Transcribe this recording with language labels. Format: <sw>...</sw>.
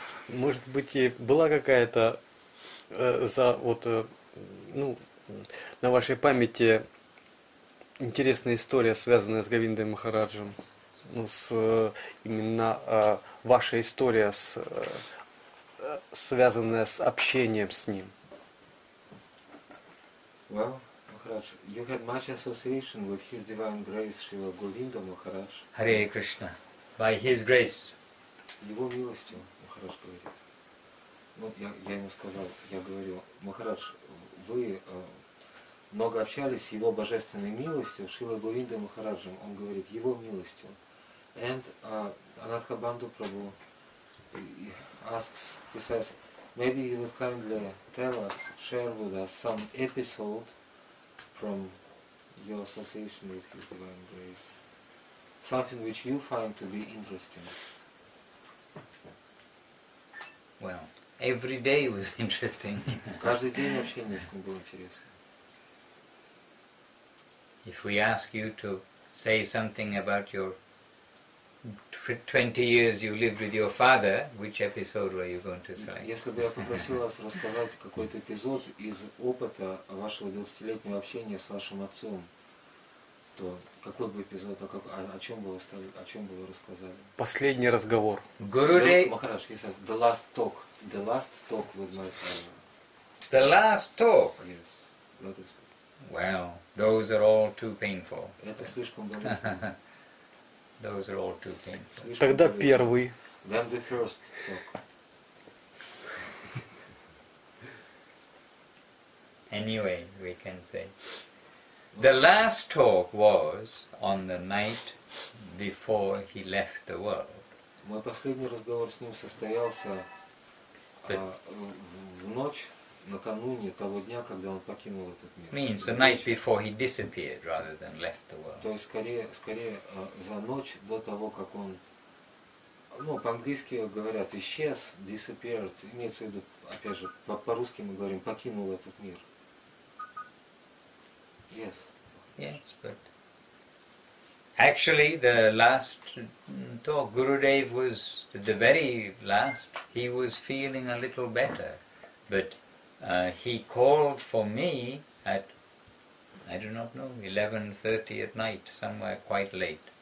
<ru>Может быть, была какая-то за вот ну на вашей памяти интересная история, связанная с Говиндой Махараджем? Ну, с именно ваша история, с, связанная с общением с ним.</ru> <en>Well, Maharaj, you had much association with His Divine Grace Srila Govinda Maharaj. Hare Krishna, by His Grace.</en> <ru>Его милостью, Maharaj говорит. Ну, я ему сказал, я говорю, Maharaj, вы много общались с Его Божественной милостью, Шрила Говинда Махараджем. Он говорит, Его милостью.</ru> <en>And Anatha Bandhu Prabhu asks, he says, maybe you would kindly tell us, share with us some episode from your association with His Divine Grace. Something which you find to be interesting. Well, every day was interesting.</en> <ru>Каждый день общения с ним было интересно.</ru> <en>If we ask you to say something about your 20 years you lived with your father, which episode were you going to say?</en> <ru>Если бы я попросил вас рассказать какой-то эпизод из опыта вашего 20-летнего общения с вашим отцом, то какой бы эпизод, о чем бы вы рассказали? Последний разговор. Гурудев.</ru> <en>Махарадж, yes, the last talk. The last talk with my father. The last talk? Yes, that is good. Well, those are all too painful.</en> <ru>Это слишком болезненно.</ru> <en>Those are all two things.</en> <ru>Тогда первый.</ru> <en>Then the first talk. Anyway, we can say. The last talk was on the night before he left the world.</en> <ru>Мой последний разговор с ним состоялся в ночь, накануне того дня, когда он покинул этот мир.</ru> <en>Means the night before he disappeared rather than left the world.</en> <ru>То есть скорее за ночь до того, как он, ну, по-английски говорят исчез, disappeared, имеется в виду, опять же, по-русски мы говорим, покинул этот мир.</ru> <en>Yes. Yes, but actually the last talk, Gurudev was the very last, he was feeling a little better, but he called for me at, I do not know, 11:30 at night, somewhere quite late.</en>